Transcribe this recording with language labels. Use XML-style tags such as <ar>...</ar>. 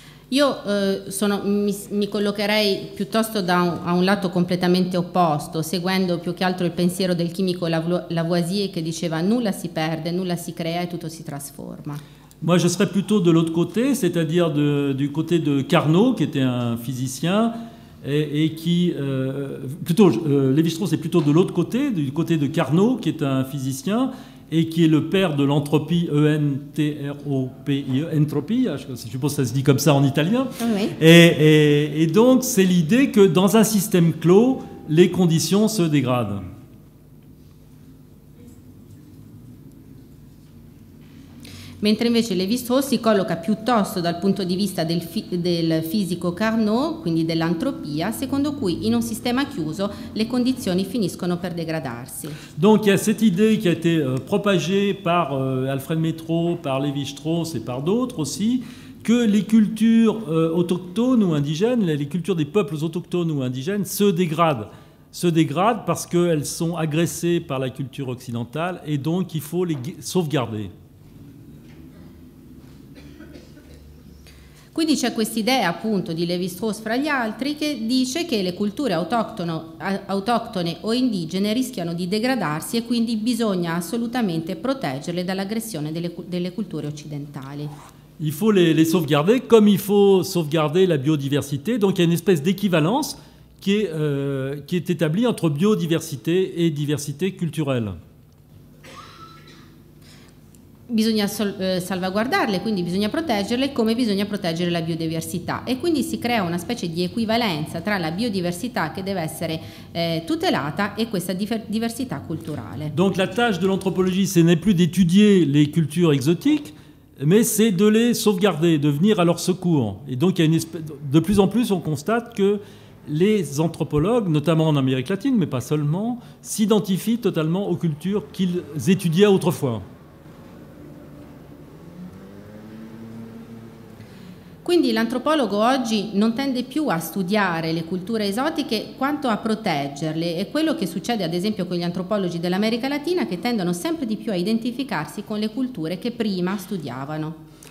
<it>Io mi collocherei piuttosto a un lato completamente opposto, seguendo più che altro il pensiero del chimico Lavoisier, che diceva nulla si perde, nulla si crea e tutto si trasforma.</it> <fr>Moi, je serais plutôt de l'autre côté, c'est-à-dire du côté de Carnot, qui était un physicien, Lévi-Strauss est plutôt de l'autre côté, du côté de Carnot, qui est un physicien et qui est le père de l'entropie, E-N-T-R-O-P-I-E, entropie, je suppose que ça se dit comme ça en italien. Oui. Et donc, c'est l'idée que dans un système clos, les conditions se dégradent.</fr> <it>Mentre invece Lévi-Strauss si colloca piuttosto dal punto di vista del fisico Carnot, quindi dell'entropia, secondo cui in un sistema chiuso le condizioni finiscono per degradarsi.</it> <fr>Donc il y a cette idée qui a été propagée par Alfred Métraux, par Lévi-Strauss et par d'autres aussi, que les cultures autochtones ou indigènes, les cultures des peuples autochtones ou indigènes se dégradent parce qu'elles sont agressées par la culture occidentale et donc il faut les sauvegarder.</fr> <it>Quindi c'è questa idea appunto di Lévi-Strauss fra gli altri che dice che le culture autoctone o indigene rischiano di degradarsi e quindi bisogna assolutamente proteggerle dall'aggressione delle culture occidentali.</it> <fr>Il faut les sauvegarder comme il faut sauvegarder la biodiversité, donc il y a une espèce d'équivalence qui est établie entre biodiversité e diversité culturelle.</fr> <it>Bisogna salvaguardarle, quindi bisogna proteggerle come bisogna proteggere la biodiversità. E quindi si crea una specie di equivalenza tra la biodiversità che deve essere tutelata e questa diversità culturale.</it> <fr>Donc la tâche de l'anthropologie, ce n'est plus d'étudier les cultures exotiques, mais c'est de les sauvegarder, de venir à leur secours. Et donc il y a de plus en plus on constate que les anthropologues, notamment en Amérique latine, mais pas seulement, s'identifient totalement aux cultures qu'ils étudiaient autrefois.</fr> <it>Quindi l'antropologo oggi non tende più a studiare le culture esotiche quanto a proteggerle. È quello che succede ad esempio con gli antropologi dell'America Latina che tendono sempre di più a identificarsi con le culture che prima studiavano.</it>